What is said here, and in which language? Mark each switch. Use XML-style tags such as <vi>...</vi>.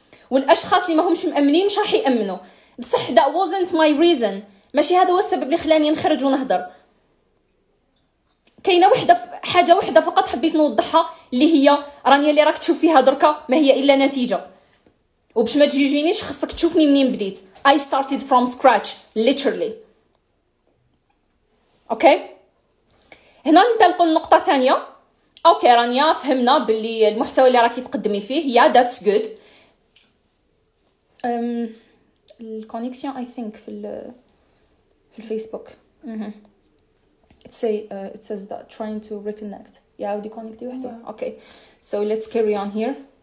<ar>والاشخاص اللي ما همش مامنين مش راح يامنوا. بصح</ar> <en>that wasn't my reason،</en> <ar>ماشي هذا هو السبب اللي خلاني نخرج ونهضر. كاينه وحده حاجه وحده فقط حبيت نوضحها، اللي هي رانيا اللي راك تشوف فيها دركا ما هي الا نتيجه، وباش ما تجيجينيش خصك تشوفني منين بديت.</ar> <en>I started from scratch literally.</en> <ar>اوكي هنا ننتقل لنقطه ثانيه. اوكي رانيا فهمنا باللي المحتوى اللي راكي تقدمي فيه يا</ar> <en>that's good. الكونيكسيون I think</en> <ar>في الفيسبوك</ar> <en>it says that trying to reconnect. Yeah, we connect you. Okay, so let's carry on here.</en>